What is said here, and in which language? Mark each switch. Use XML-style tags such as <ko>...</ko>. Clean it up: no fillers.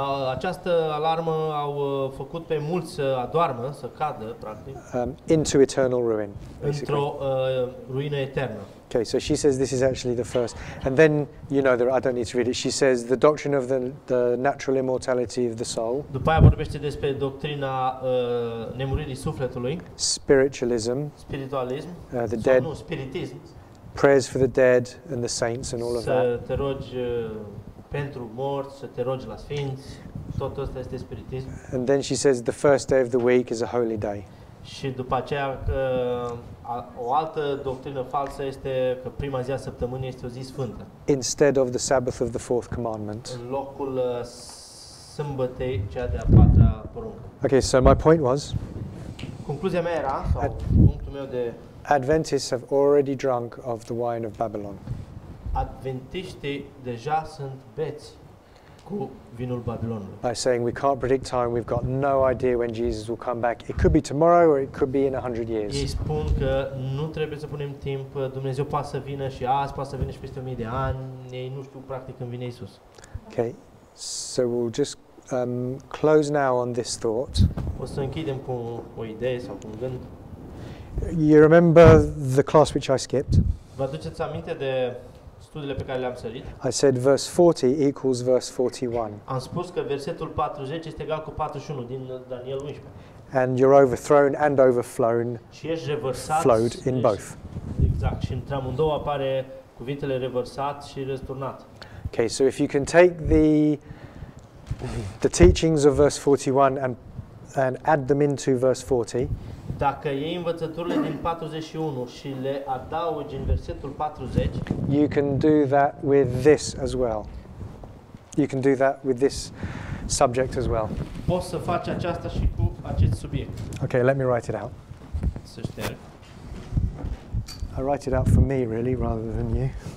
<ro>Această alarmă au făcut pe mulți să adoarmă, să cadă, practic,</ro> <en>into eternal ruin,</en> <ro>într-o ruină eternă.</ro> <en>Okay, so she says this is actually the first. And then, you know, I don't need to read it. She says the doctrine of the natural immortality of the soul.</en> <ro>După aia vorbește despre doctrina nemuririi sufletului.</ro> <en>Spiritualism.</en> <ro>Spiritualism.</ro> <en>The dead.</en> <ro>Nu, spiritism.</ro> <en>Prayers for the dead and the saints and all of that.</en> <ro>Să te rogi pentru morți, să te rogi la sfinți. Tot ăsta este spiritism.</ro> <en>And then she says the first day of the week is a holy day.</en> <ro>Și după aceea o altă doctrină falsă este că prima zi a săptămânii este o zi sfântă.</ro> <en>Instead of the Sabbath of the fourth commandment.</en> <ro>În locul sâmbătei, cea de-a patra poruncă.</ro> <en>Okay, so my point was.</en> <ro>Concluzia mea era, punctul meu de</ro> <en>Adventists have already drunk of the wine of Babylon.</en> <ro>Adventiștii deja sunt beți cu vinul Babilonului.</ro> <en>By saying we can't predict time, we've got no idea when Jesus will come back. It could be tomorrow or it could be in 100 years.</en> <ro>Ei spun că nu trebuie să punem timp, Dumnezeu poate să vină și azi, poate să vină și peste 1000 de ani, ei nu știu practic când vine Isus.</ro> <en>Okay. So we'll just close now on this thought.</en> <ro>O să închidem cu o idee sau cu un gând.</ro> <en>You remember the class which I skipped?</en> <ro>Vă aduceți aminte de studiile pe care le-am sărit?</ro> <en>I said verse 40 equals verse 41.</en> <ro>Am spus că versetul 40 este egal cu 41 din Daniel 11.</ro> <en>And you're overthrown and overflown.</en> <ro>Și ești revărsat.</ro> <en>Flowed in both.</en> <ro>Exact. Și între amândouă apare cuvintele revărsat și răsturnat.</ro> <en>Okay, so if you can take the teachings of verse 41 and add them into verse 40.</en> <ro>Dacă iei învățăturile din 41 și le adaugi în versetul 40,</ro> <en>you can do that with this as well. You can do that with this subject as well.</en> <ro>Poți să faci aceasta și cu acest subiect.</ro> <en>Okay, let me write it out.</en> <ro>Să șterg.</ro> <en>I write it out for me, really, rather than you.</en>